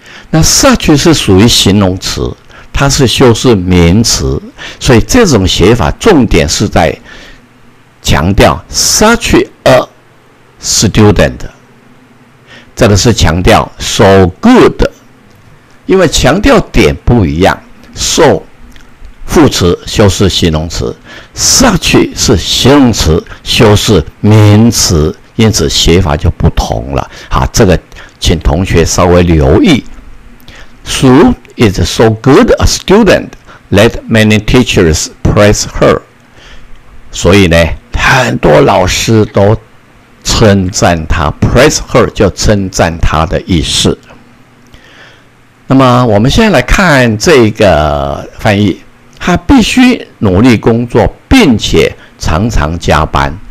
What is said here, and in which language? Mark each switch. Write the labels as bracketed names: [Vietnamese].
[Chinese] 那 such 是属于形容词，它是修饰名词，所以这种写法重点是在强调 [English] such a student， [Chinese] 这个是强调 [English] so good， [Chinese] 因为强调点不一样， so 副词修饰形容词， such 是形容词修饰名词，因此写法就不同了。好，这个请同学稍微留意。 [English] Sue is so good a student that many teachers praise her. [Chinese] 所以呢，很多老师都称赞她， [English] praise her [Chinese] 就称赞她的意思。那么我们现在来看这个翻译，她必须努力工作并且常常加班。